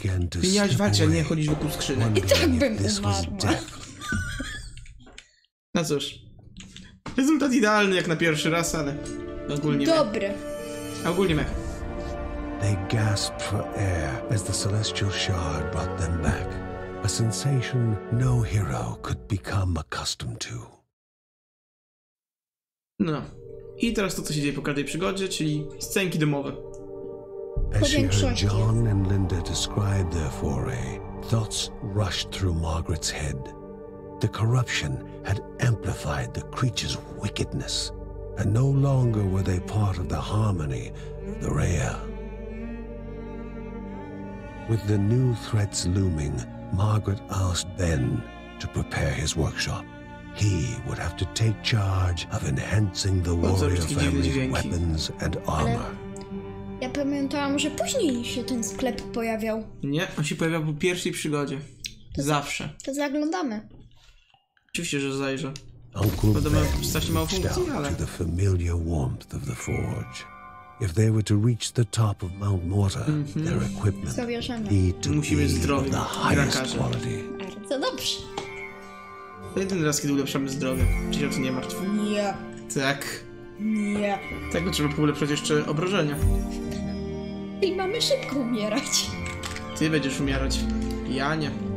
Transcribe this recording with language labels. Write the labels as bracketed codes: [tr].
[pl] Ty miałaś walczyć, a nie chodzić wokół skrzyni. I tak bym umarła. No cóż. Rezultat idealny jak na pierwszy raz, ale ogólnie. Dobry. Ogólnie mech. [en] They gasped for air as the celestial shard brought them back. A sensation no hero could become accustomed to. [pl] No. I teraz to, co się dzieje po każdej przygodzie, czyli scenki domowe. [en] As she heard John and Linda describe their foray, thoughts rushed through Margaret's head. The corruption had amplified the creature's wickedness, and no longer were they part of the harmony, the Rhea. With the new threats looming, Margaret asked Ben to prepare his workshop. He would have to take charge of enhancing the warrior family's weapons and armor. [pl] Ja pamiętałam, że później się ten sklep pojawiał. Nie, on się pojawiał po pierwszej przygodzie. Zawsze. To zaglądamy. Oczywiście, że zajrzę. [en] Uncle Ben reached out to the familiar warmth of the forge. If they were to reach the top of Mount Mortar, their equipment need to be of the highest quality. [pl] Co dobrze. To jeden raz, kiedy ulepszamy zdrowie. Czy się o to nie martw? Nie. Tak. Nie. Tak, bo trzeba ulepszać jeszcze obrażenia. I mamy szybko umierać. Ty będziesz umierać. Ja nie.